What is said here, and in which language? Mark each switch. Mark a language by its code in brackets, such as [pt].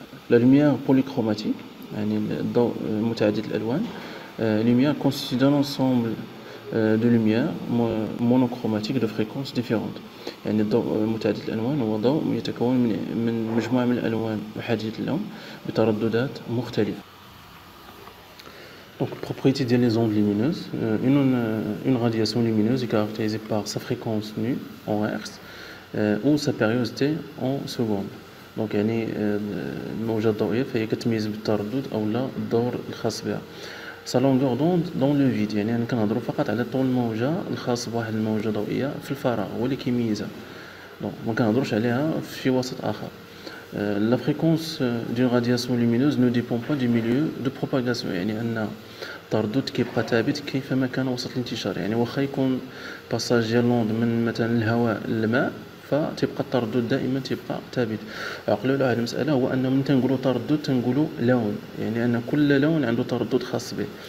[fr] La lumière polychromatique, [ar] يعني الضوء متعدد الألوان. [fr] Lumière constituée d'un ensemble de lumière monochromatique de fréquences différentes. [ar] يعني الضوء متعدد الألوان هو ضوء يتكون من مجموعة من الألوان محددة اللون بترددات مختلفة. [fr] Donc, propriété des les ondes lumineuses. Une radiation lumineuse est caractérisée par sa fréquence nue en Hertz ou sa périodicité en secondes. [ar] Donc, يعني الموجة الضوئية فهي كتميز بالتردد أو لا الدور الخاص بها. [fr] Sa longueur d'onde dans le vide, [ar] يعني أنا كنهضرو فقط على طول الموجة الخاص بواحد الموجة ضوئية في الفراغ هو اللي كيميزها. دونك ما كنهضروش عليها في وسط آخر. [fr] La fréquence d'une radiation lumineuse ne dépend pas du milieu de propagation. [ar] يعني أن التردد كيبقى ثابت كيفما كان وسط الانتشار. يعني واخا يكون باساج ديال لوند من مثلا الهواء للماء فتبقى التردد دائما تبقى ثابت. عقلوا على المسألة هو أنه من تنقولوا تردد تنقولوا لون، يعني أن كل لون عنده تردد خاص به.